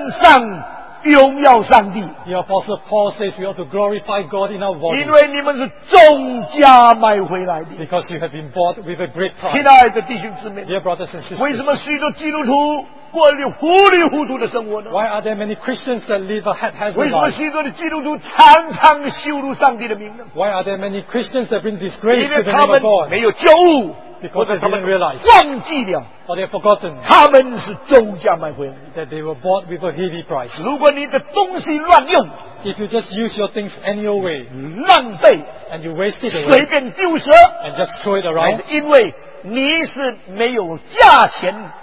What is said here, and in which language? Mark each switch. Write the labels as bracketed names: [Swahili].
[Chinese] 所以保罗说，你们要在你们身上荣耀上帝。 [English] The Apostle Paul says we ought to glorify God in our bodies. [Chinese] 因为你们是重价买回来的。 [English] Because you have been bought with a great price. [Chinese] 亲爱的弟兄姊妹, [English] Dear brothers and sisters, [Chinese] 为什么许多基督徒 [English] Why are there many Christians that live a haphazard life? Why are there many Christians that bring disgrace to the name of God? Because they didn't realize, or they have forgotten, that they were bought with a heavy price. If you just use your things any old way, [Chinese] 浪费, [English] and you waste it away, [Chinese] 随便丢舍, [English] and just throw it around, [Chinese] and 因为你是没有价钱,